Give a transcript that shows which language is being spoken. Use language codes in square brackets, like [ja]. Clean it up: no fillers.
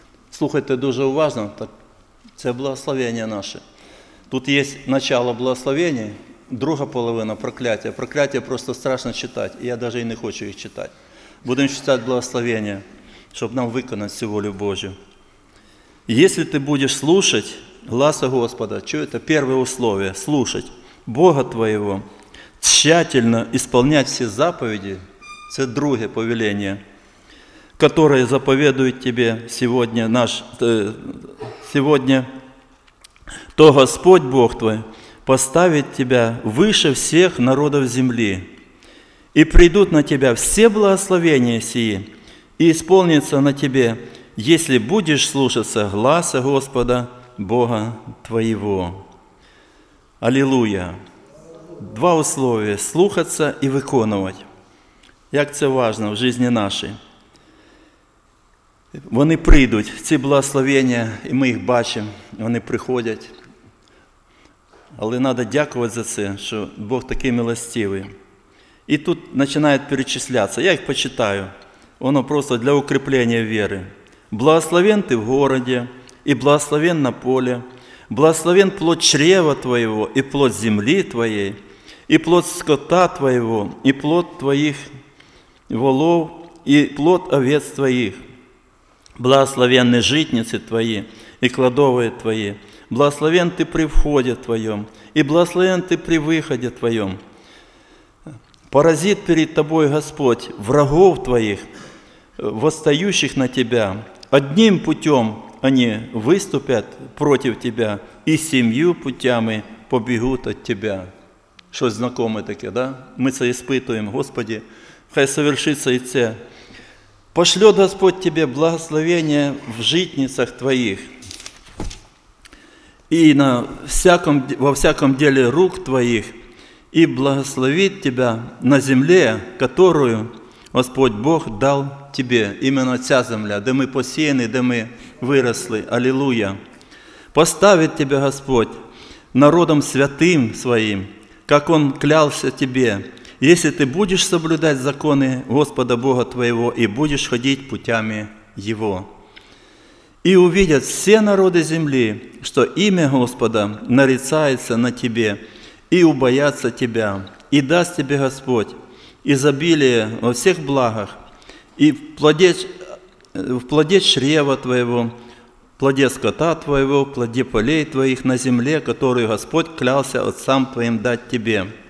[uk] Слухайте дуже уважно, так, це благословення наше. Тут є начало благословення, друга половина – прокляття. Прокляття просто страшно читати, я навіть і не хочу їх читати. Будемо читати благословення, щоб нам виконати цю волю Божу. «Если ти будеш слухати гласа Господа», чуєте, перше условие – слухати Бога твоєго, тщательно исполнять всі заповіді, це друге повеління, [ru] которые заповедуют тебе сегодня сегодня, то Господь Бог твой поставит тебя выше всех народов земли, и придут на тебя все благословения сии, и исполнится на тебе, если будешь слушаться гласа Господа Бога твоего. Аллилуйя! Два условия – слухаться и выполнять. Как это важно в жизни нашей. [uk] Вони прийдуть, ці благословення, і ми їх бачимо, вони приходять. Але треба дякувати за це, що Бог такий милостивий. І тут починають перечислятися, я їх почитаю. Воно просто для укріплення віри. Благословен ти в городі, і благословен на полі. Благословен плод чрева твоєго, і плод землі твоєї, і плод скота твоєго, і плод твоїх волов, і плод овець твоїх. [ru] Благословенны житницы твои и кладовые твои. Благословен ты при входе твоем и благословен ты при выходе твоем. Поразит перед тобой Господь врагов твоих, восстающих на тебя. Одним путем они выступят против тебя и семью путями побегут от тебя. Что-то знакомое такое, да? Мы это испытываем. Господи, хай совершится и це. Пошлет Господь тебе благословение в житницах твоих и во всяком деле рук твоих, и благословит тебя на земле, которую Господь Бог дал тебе. [uk] Именно ця земля, де ми посіяні, де ми виросли. [ru] Аллилуйя! Поставит тебя Господь народом святым своим, как Он клялся тебе. Если ты будешь соблюдать законы Господа Бога твоего и будешь ходить путями Его. И увидят все народы земли, что имя Господа нарицается на тебе, и убоятся тебя, и даст тебе Господь изобилие во всех благах, и в плоде чрева твоего, в плоде скота твоего, в плоде полей твоих на земле, которую Господь клялся отцам твоим дать тебе».